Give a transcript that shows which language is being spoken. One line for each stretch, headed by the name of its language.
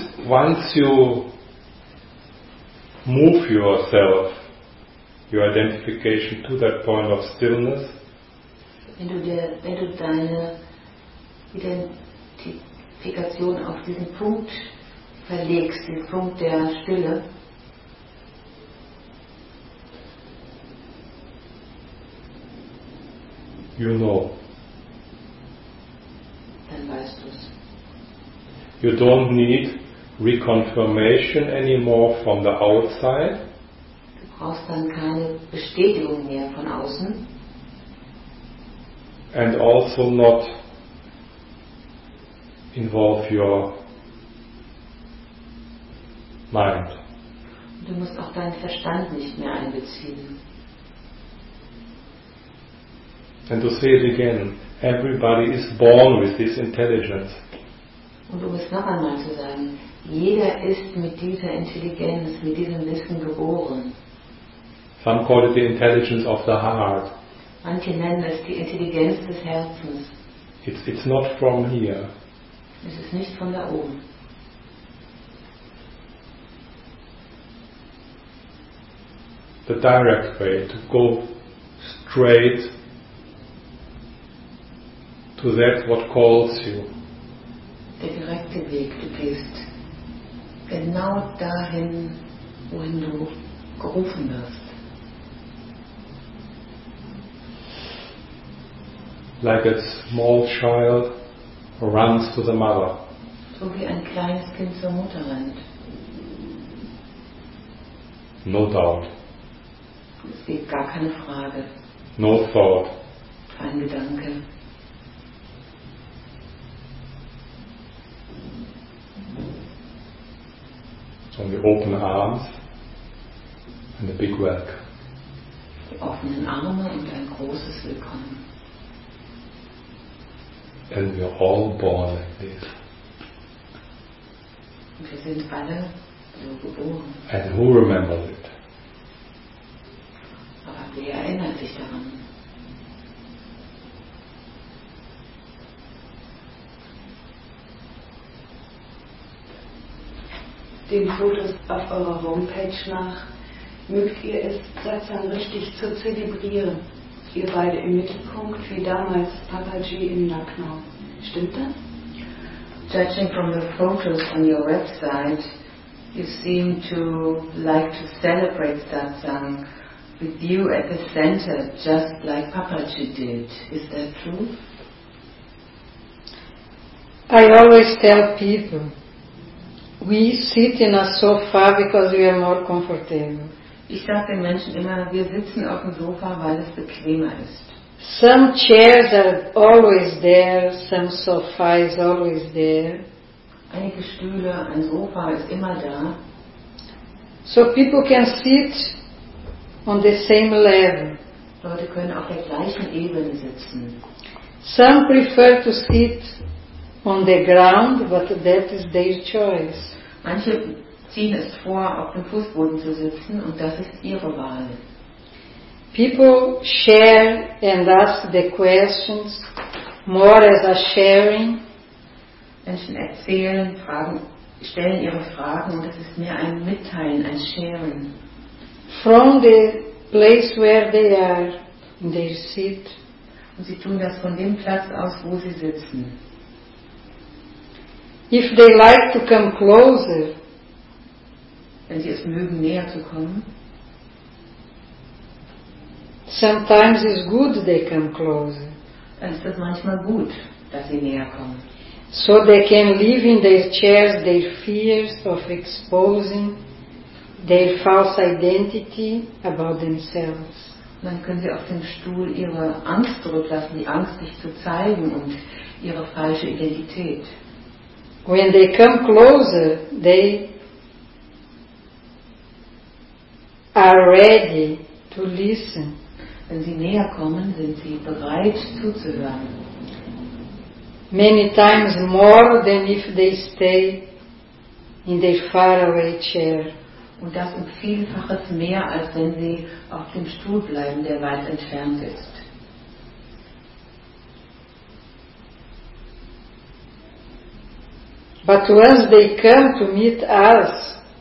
English: Once you move yourself, your identification to that point of stillness,
German: wenn du deine Identifikation auf diesen Punkt verlegst, den Punkt der Stille.
English: You know.
German: Dann weißt du's.
English: You don't need reconfirmation anymore from the outside.
German: Du brauchst dann keine Bestätigung mehr von außen.
English: And also not involve your mind.
German: Du musst auch deinen Verstand nicht mehr einbeziehen.
English: And to say it again, everybody is born with this intelligence.
German: Und um es noch einmal zu sagen, jeder ist mit dieser Intelligenz, mit diesem Wissen geboren.
English: Some call it the intelligence of the heart.
German: Manche nennen es die Intelligenz des Herzens.
English: It's not from here.
German: Es ist nicht von da oben.
English: The direct way to go straight to that what calls you.
German: Der direkte Weg, du gehst genau dahin, wohin du gerufen wirst.
English: Like a small child runs to the mother.
German: So wie ein kleines Kind zur Mutter rennt.
English: No doubt.
German: Es gibt gar keine Frage.
English: No thought.
German: Kein Gedanke.
English: Only open arms and a big welcome.
German: offenen Arme und ein großes Willkommen.
English: And we are all born like this.
German: Wir sind alle so geboren.
English: And who remembers it?
German: Aber wer erinnert sich daran? Den Fotos auf eurer Homepage nach, mögt ihr es Satsang richtig zu zelebrieren? Ihr beide im Mittelpunkt, wie damals Papaji in Lucknow. Stimmt das?
English: Judging from the photos on your website, you seem to like to celebrate Satsang with you at the center, just like Papaji did. Is that true? I always tell people, we sit in a sofa because we are more comfortable.
German: Ich sage den Menschen immer, wir sitzen auf dem Sofa, weil es bequemer ist.
English: Some chairs are always there, some sofa is always there.
German: Einige Stühle, ein Sofa ist immer da.
English: So people can sit on the same level.
German: Leute können auf der gleichen Ebene sitzen.
English: Some prefer to sit on the ground, but that is their choice.
German: Manche ziehen es vor, auf dem Fußboden zu sitzen, und das ist ihre Wahl.
English: People share and ask the questions more as a sharing.
German: Menschen erzählen, fragen, stellen ihre Fragen, und das ist mehr ein Mitteilen, ein Sharing.
English: From the place where they are, in their seat.
German: Und sie tun das von dem Platz aus, wo sie sitzen.
English: If they like to come closer,
German: wenn sie es mögen, näher zu kommen,
English: sometimes it's good they come closer.
German: Dann ist es manchmal gut, dass sie näher kommen.
English: So they can leave in their chairs their fears of exposing their false identity about themselves.
German: Und dann können sie auf dem Stuhl ihre Angst zurücklassen, die Angst, sich zu zeigen und ihre falsche Identität.
English: When they come closer, they are ready to listen.
German: Wenn sie näher kommen, sind sie bereit zuzuhören.
English: Many times more than if they stay in their faraway chair.
German: Und das um vielfaches mehr, als wenn sie auf dem Stuhl bleiben, der weit entfernt ist.
English: But once they come to meet us,